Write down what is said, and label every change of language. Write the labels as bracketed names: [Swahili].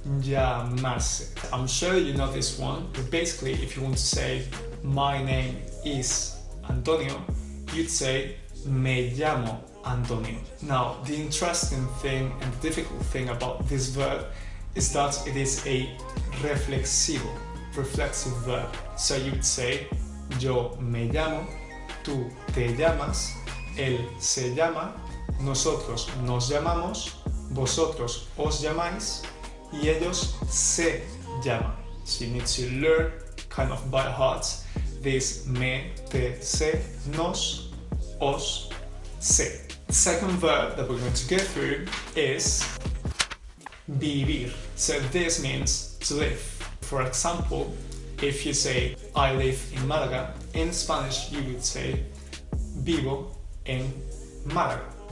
[Spanish] Llamarse. [English] I'm sure you know this one, but basically if you want to say my name is Antonio, you'd say [Spanish] me llamo Antonio. [English] Now, the interesting thing and the difficult thing about this verb is that it is a reflexive verb. So you'd say [Spanish] yo me llamo, tú te llamas, él se llama, nosotros nos llamamos, vosotros os llamáis, y ellos se llaman. [English] So you need to learn, kind of by heart, this me, te, se, nos, os, se. Second verb that we're going to get through is vivir. So this means to live. For example, if you say I live in Málaga, in Spanish you would say [Spanish] vivo en Málaga.